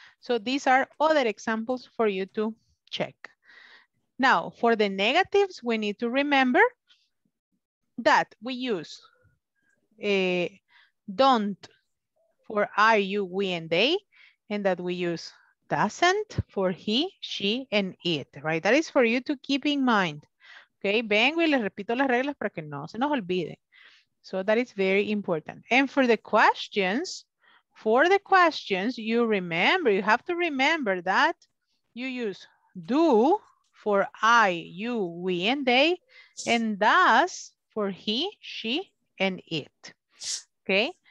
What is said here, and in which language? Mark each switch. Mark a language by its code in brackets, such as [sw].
[en] So these are other examples for you to check. Now, for the negatives, we need to remember that we use don't for I, you, we, and they, and that we use doesn't for he, she, and it, right? That is for you to keep in mind, okay? [es] Vengo y les repito las reglas para que no se nos olvide. [en] So that is very important. And for the questions, you remember, you have to remember that you use do, for I, you, we, and they, and does for he, she, and it, okay?